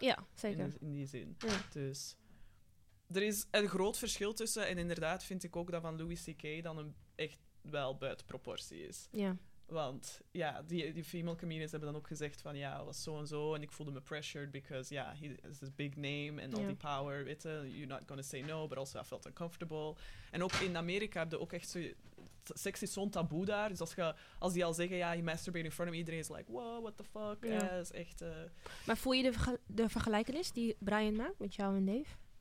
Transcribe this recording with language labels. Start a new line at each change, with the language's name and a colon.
Dutch: Ja, zeker. In die zin. Ja. Dus er is een groot verschil tussen. En inderdaad vind ik ook dat van Louis C.K. dan een echt wel buiten proportie is. Ja. Want ja, die female comedians hebben dan ook gezegd van ja, was zo en zo. En ik voelde me
English: pressured because ja, he is this big name and all the power.
Dutch: Weet je,
English: you're not going to say no, but also I felt uncomfortable.
Dutch: En ook in Amerika heb je ook echt zo, seks is zo'n taboe daar. Dus als die al zeggen, ja, je masturbeert
English: in front of me,
Dutch: iedereen
English: is like, wow, what the fuck.
Dutch: Ja, yeah, is echt. Maar voel je de vergelijkenis die Brian maakt met jou en Dave?